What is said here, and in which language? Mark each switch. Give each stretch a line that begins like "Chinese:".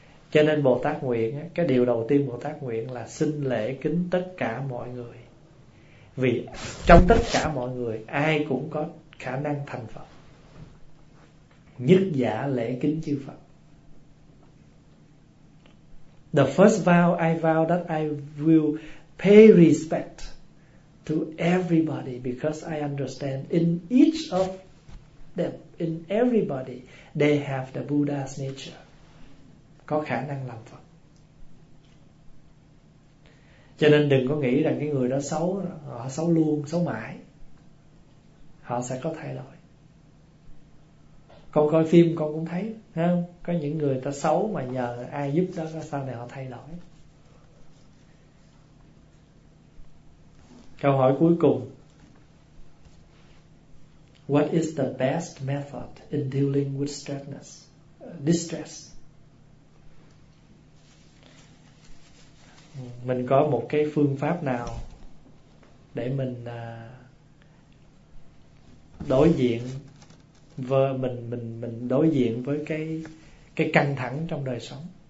Vietnamese: Cho nên Bồ Tát nguyện, cái điều đầu tiên Bồ Tát nguyện là xin lễ kính tất cả mọi người. Vì trong tất cả mọi người ai cũng có khả năng thành Phật. Nhất giả lễ kính chư Phật.
English: The first vow, I vow that I will pay respect to everybody because I understand in each of them, in everybody, they have the Buddha's nature.
Vietnamese: Có khả năng làm Phật. Cho nên đừng có nghĩ rằng cái người đó xấu, họ xấu luôn, xấu mãi. Họ sẽ có thay đổi. Con coi phim con cũng thấy, không? Có những người ta xấu mà nhờ ai giúp đó, sau này họ thay đổi. Câu hỏi cuối cùng.
English: What is the best method in dealing with distress?
Vietnamese: Mình có một cái phương pháp nào để mình đối diện vợ mình đối diện với cái căng thẳng trong đời sống.